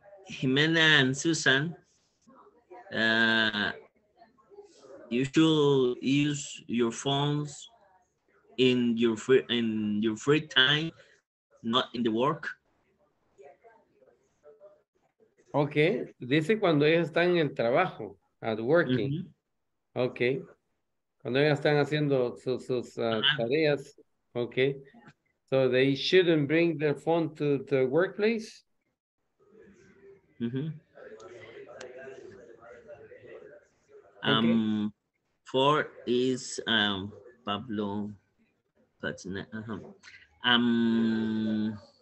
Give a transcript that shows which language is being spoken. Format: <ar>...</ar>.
<en>Jimena and Susan, you should use your phones in your free time, not in the work.</en> <es>Okay, dice cuando ellos están en el trabajo,</es> <en>at working.</en> <es>Mm-hmm. Okay, cuando ellos están haciendo sus tareas.</es> <en>Okay, so they shouldn't bring their phone to the workplace. Mm-hmm. Okay. Four is Pablo Patina.</en>